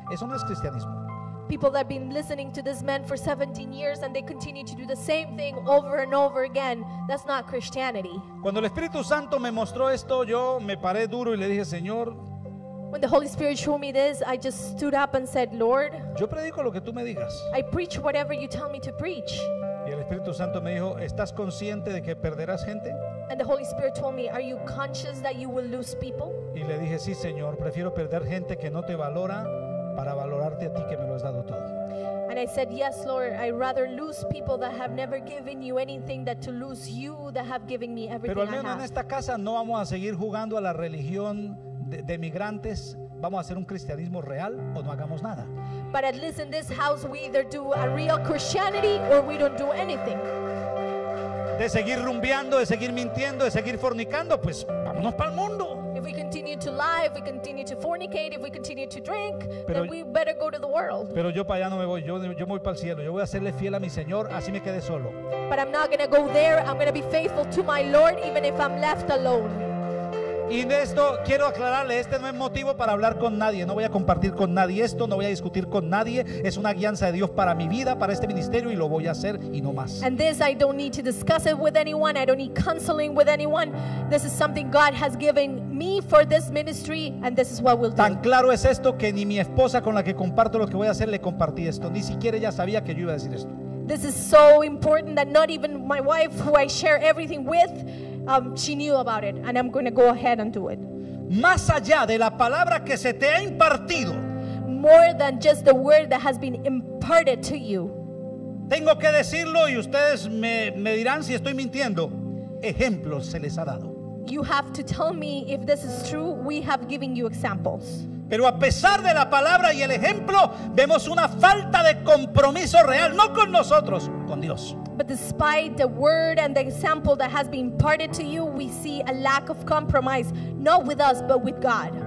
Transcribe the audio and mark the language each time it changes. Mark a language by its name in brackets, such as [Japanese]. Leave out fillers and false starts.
[Spanish] Eso no es cristianismo. [English] People that have been listening to this man for 17 years and they continue to do the same thing over and over again, that's not Christianity. [Spanish] Cuando el Espíritu Santo me mostró esto, yo me paré duro y le dije, Señor. [English] When the Holy Spirit showed me this, I just stood up and said, Lord, [Spanish] yo predico lo que tú me digas. [English] I preach whatever you tell me to preach. [Spanish] Y el Espíritu Santo me dijo, ¿estás consciente de que perderás gente? [English] And the Holy Spirit told me, are you conscious that you will lose people? [Spanish] Y le dije, sí, Señor, prefiero perder gente que no te valora para valorarte a ti que me lo has dado todo. [English] And I said, yes, Lord, I'd rather lose people that have never given you anything than to lose you that have given me everything. [Spanish] Pero al menos [English] I have. [Spanish] En esta casa no vamos a seguir jugando a la religión de migrantes. Vamos a hacer un cristianismo real o no hagamos nada. [English] But at least in this house we either do a real Christianity or we don't do anything. [Spanish] De seguir rumbeando, de seguir mintiendo, de seguir fornicando, pues vámonos para el mundo. [English] If we continue to lie, if we continue to fornicate, if we continue to drink, pero, then we better go to the world. [Spanish] Pero yo para allá no me voy, yo voy para el cielo. Yo voy a serle fiel a mi Señor, así me quedé solo. [English] But I'm not going to go there. I'm going to be faithful to my Lord even if I'm left alone. [Spanish] Y de esto quiero aclararle, este no es motivo para hablar con nadie, no voy a compartir con nadie esto, no voy a discutir con nadie, es una guianza de Dios para mi vida, para este ministerio, y lo voy a hacer y no más. [English] And this I don't need to discuss it with anyone, I don't need counseling with anyone. This is something God has given me for this ministry and this is what we'll do. [Spanish] Tan claro es esto que ni mi esposa con la que comparto lo que voy a hacer le compartí esto, ni siquiera ella sabía que yo iba a decir esto. [English] This is so important that not even my wife, who I share everything with, she knew about it, and I'm going to go ahead and do it. [Spanish] Más allá de la palabra que se te ha impartido, [English] more than just the word that has been imparted to you, [Spanish] tengo que decirlo y ustedes me dirán si estoy mintiendo. Ejemplos se les ha dado. [English] You have to tell me if this is true. We have given you examples. [Spanish] Pero a pesar de la palabra y el ejemplo, vemos una falta de compromiso real, no con nosotros, con Dios. [English] But despite the word and the example that has been imparted to you, we see a lack of compromise, not with us, but with God.